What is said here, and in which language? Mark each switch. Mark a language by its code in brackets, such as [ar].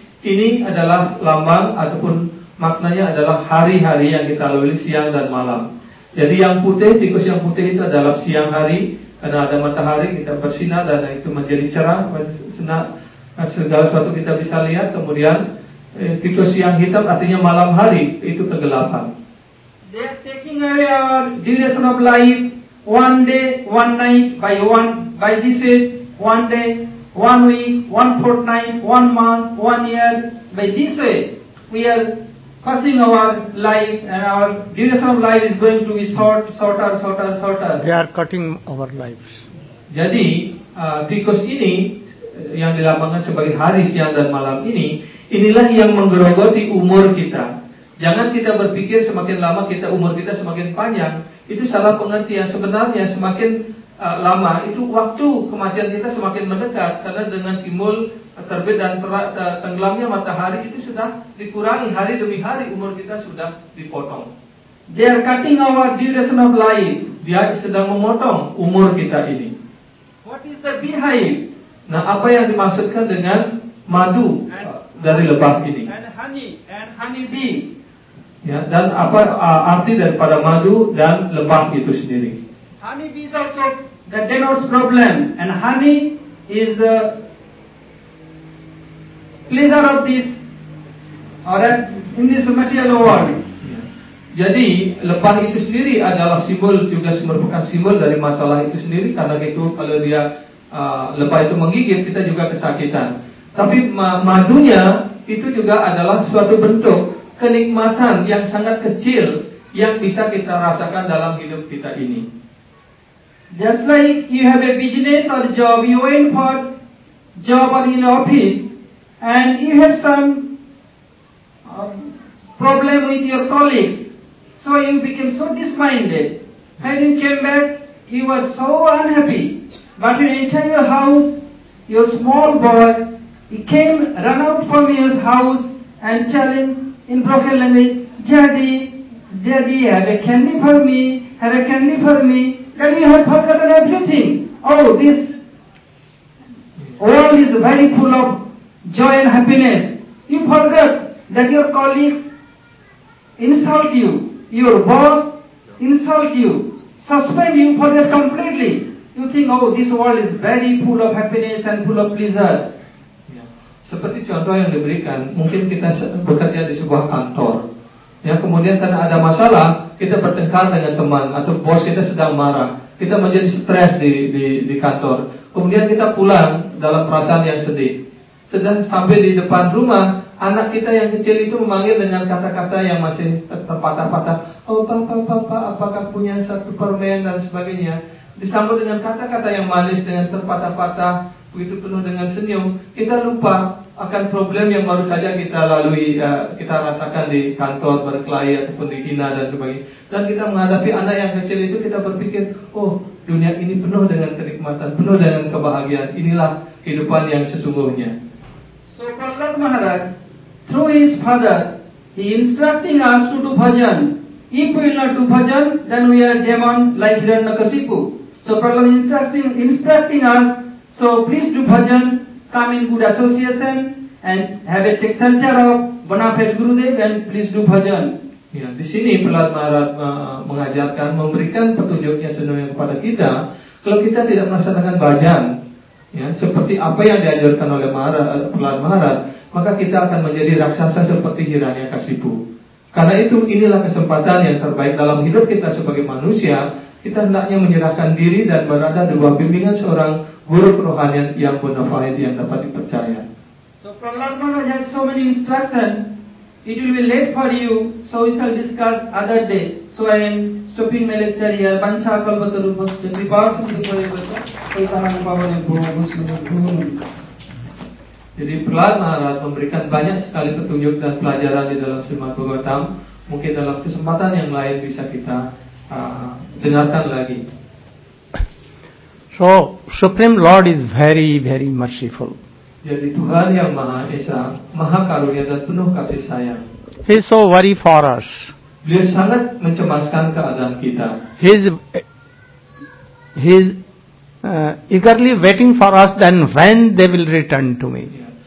[id] Ini adalah lambang ataupun maknanya adalah hari-hari yang kita lalui siang dan malam. Jadi yang putih, tikus yang putih itu adalah siang hari karena ada matahari kita bersinar dan itu menjadi cerah, segala sesuatu kita bisa lihat. Kemudian tikus yang hitam artinya malam hari itu kegelapan. [en] They are taking away our duration of life one day, one night, one day, one week, one fortnight, one month, one year. By this way, we are cutting our life and our duration of life is going to be shorter. They are cutting our lives. [id] Jadi, tikus ini yang dilambangkan sebagai hari, siang, dan malam ini, inilah yang menggerogoti umur kita. Jangan kita berpikir semakin lama kita umur kita semakin panjang, itu salah pengertian. Sebenarnya semakin lama itu waktu kematian kita semakin mendekat, karena dengan timbul terbit dan tenggelamnya matahari itu sudah dikurangi hari demi hari, umur kita sudah dipotong. [en] They are cutting our duration of life. [id] Dia sedang memotong umur kita ini. [en] What is the beehive? [id] Nah, apa yang dimaksudkan dengan madu dari lebah ini? [en] And honey bee. [id] Ya, dan apa arti daripada madu dan lebah itu sendiri? [en] Honey bees also the denotes problem and honey is the pleasure of this or in this material world. [id] Ya. Jadi lebah itu sendiri adalah simbol, juga merupakan simbol dari masalah itu sendiri, karena itu kalau dia lebah itu menggigit kita juga kesakitan. Tapi madunya itu juga adalah suatu bentuk kenikmatan yang sangat kecil yang bisa kita rasakan dalam hidup kita ini. [en] Just like you have a business or job, you went for job or in office, and you have some problem with your colleagues. So he became so disappointed. As he came back, he was so unhappy. But when he entered your house, your small boy, he came, run out from his house and tell him in broken language, Daddy, Daddy, have a candy for me, have a candy for me. Daddy, you have forgotten everything. Oh, this world is very full of joy and happiness. You forgot that your colleagues insult you, your boss insult you, suspend you for that completely. You think, oh, this world is very full of happiness and full of pleasure. [id] Seperti contoh yang diberikan, mungkin kita bekerja di sebuah kantor. Ya, kemudian karena ada masalah, kita bertengkar dengan teman atau bos kita sedang marah. Kita menjadi stres di kantor. Kemudian kita pulang dalam perasaan yang sedih. Sedang sampai di depan rumah, anak kita yang kecil itu memanggil dengan kata-kata yang masih terpatah-patah. Oh, papa, apakah punya satu permen dan sebagainya. Disambut dengan kata-kata yang manis, dengan terpatah-patah, begitu penuh dengan senyum, kita lupa akan problem yang baru saja kita lalui, kita rasakan di kantor, berkelahi ataupun dihina dan sebagainya. Dan kita menghadapi anak yang kecil itu, kita berpikir, oh, dunia ini penuh dengan kenikmatan, penuh dengan kebahagiaan. Inilah kehidupan yang sesungguhnya. [en] So, Prahlad Maharaj, through his father, he instructing us to do bhajan. If we not do bhajan, then we are demon like Hiranyakashipu. So, Prahlad instructing us, so please do bhajan, come in good association and have a take shelter of Bonafide Gurudev and please do bhajan. [id] Ya, di sini Prahlad Maharaj mengajarkan, memberikan petunjuknya sendiri kepada kita. Kalau kita tidak melaksanakan bhajan, ya, seperti apa yang diajarkan oleh Prahlad Maharaj, maka kita akan menjadi raksasa seperti Hiranyakashipu. Karena itu inilah kesempatan yang terbaik dalam hidup kita sebagai manusia. Kita hendaknya menyerahkan diri dan berada di bawah bimbingan seorang guru kerohanian yang bonafide yang dapat dipercaya. [en] So Prahlad Maharaj has so many instruction. It will be late for you, so we shall discuss other day. So I am stopping my lecture here. Bancha kalbata rupas jatri paksa jatri paksa jatri paksa jatri paksa jatri. [id] Jadi Prahlad Maharaj memberikan banyak sekali petunjuk dan pelajaran di dalam Srimad Bhagavatam. Mungkin dalam kesempatan yang lain bisa kita dengarkan lagi. [en] So, Supreme Lord is very, very merciful. [id] Jadi Tuhan Yang Maha Esa, Maha Karunia dan penuh kasih sayang. [en] He is so worried for us. [id] Beliau sangat mencemaskan keadaan kita. [en] He is eagerly waiting for us, then when they will return to me.